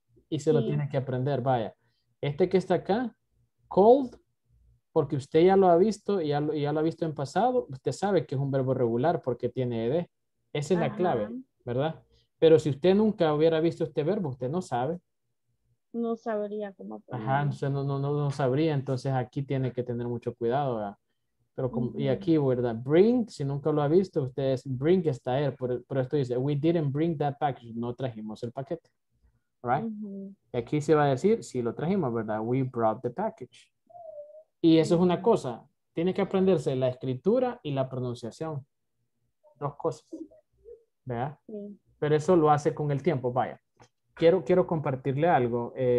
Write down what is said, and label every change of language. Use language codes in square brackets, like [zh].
[es] Y se sí. Lo tiene que aprender, vaya. Este que está acá, cold, porque usted ya lo ha visto, ya lo ha visto en pasado, usted sabe que es un verbo regular porque tiene ed. Esa es uh-huh. La clave, ¿verdad? Pero si usted nunca hubiera visto este verbo, usted no sabe. No sabría cómo. Ajá, no sabría. Entonces aquí tiene que tener mucho cuidado, ¿verdad? Pero como, uh-huh. Y aquí, ¿verdad? Bring, si nunca lo ha visto, ustedes bring está él. Por esto dice, [en] we didn't bring that package. [es] No trajimos el paquete. [en] Right? [es] Uh-huh. Y aquí se va a decir, sí lo trajimos, ¿verdad? [en] We brought the package. [es] Y eso uh-huh. Es una cosa. Tiene que aprenderse la escritura y la pronunciación. Dos cosas. ¿Verdad? Sí. Pero eso lo hace con el tiempo, vaya. Quiero compartirle algo.